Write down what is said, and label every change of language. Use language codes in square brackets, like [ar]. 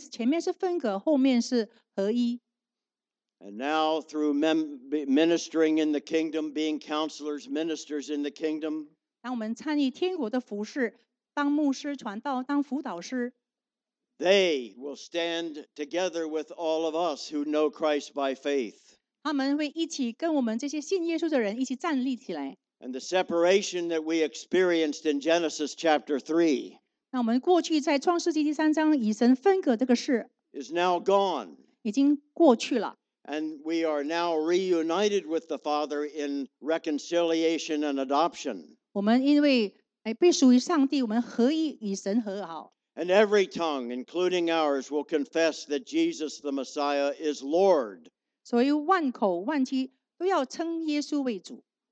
[zh] 就是那个分隔，后面前面是分隔，后面是合一。 [en] And now, through ministering in the kingdom, being counselors, ministers in the kingdom. [zh] 当我们参与天国的服事，当牧师、传道、当辅导师， [en] they will stand together with all of us who know Christ by faith. [zh] 他们会一起跟我们这些信耶稣的人一起站立起来。 [en] And the separation that we experienced in Genesis chapter 3, [zh] 那我们过去在创世纪第三章与神分隔这个事， [en] is now gone. [zh] 已经过去了。 [en] And we are now reunited with the Father in reconciliation and adoption. [zh] 我们因为被属于上帝，我们合一与神和好。 [en] And every tongue, including ours, will confess that Jesus the Messiah is Lord. [zh] 所以万口万机都要称耶稣为主。